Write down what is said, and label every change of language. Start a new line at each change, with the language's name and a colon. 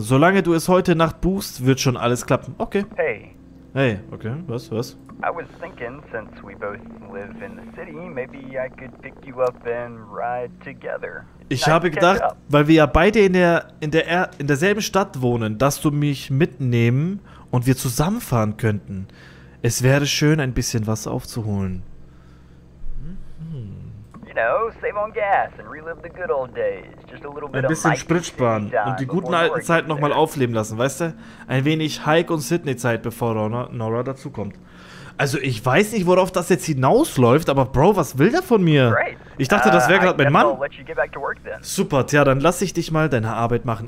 German: Solange du es heute Nacht buchst, wird schon alles klappen. Okay. Hey. Hey, okay. Was?
English: I was thinking, since we both live in the city, maybe I could pick you up and ride together.
German: Ich habe gedacht, weil wir ja beide in derselben Stadt wohnen, dass du mich mitnehmen und wir zusammenfahren könnten. Es wäre schön, ein bisschen was aufzuholen.
English: You know, save on gas and relive the good old days. Just a little bit of
German: ein bisschen Sprit sparen und die guten alten Zeiten nochmal aufleben lassen, weißt du? Ein wenig Hike und Sydney-Zeit, bevor Nora dazukommt. Also, ich weiß nicht, worauf das jetzt hinausläuft, aber Bro, was will der von mir? Ich dachte, das wäre gerade mein Mann. Super, tja, dann lass ich dich mal deine Arbeit machen.